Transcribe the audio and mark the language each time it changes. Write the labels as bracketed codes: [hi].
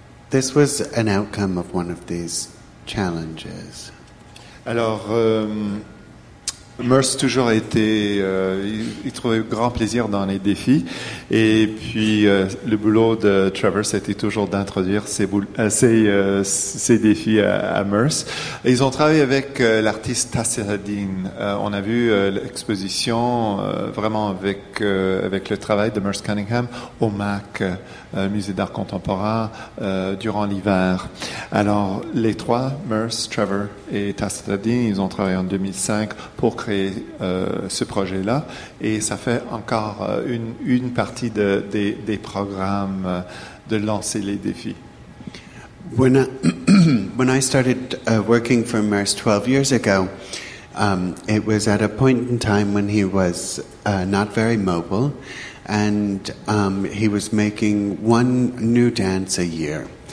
[en] This was an outcome of one of these challenges. [fr] Alors, MERS toujours était, il trouvait grand plaisir dans les défis. Et puis, le boulot de Trevor, c'était toujours d'introduire ces défis à MERS. Ils ont travaillé avec l'artiste Tacita Dean. On a vu l'exposition vraiment avec le travail de MERS Cunningham au MAC, Musée d'art contemporain, durant l'hiver. Alors, les trois, MERS, Trevor et Tacita Dean, ils ont travaillé en 2005 pour créer ce projet-là, et ça fait encore une partie des programmes de lancer les défis. [en] When I started working for MERS 12 years ago, it was at a point in time when he was not very mobile, and he was making one new dance a year.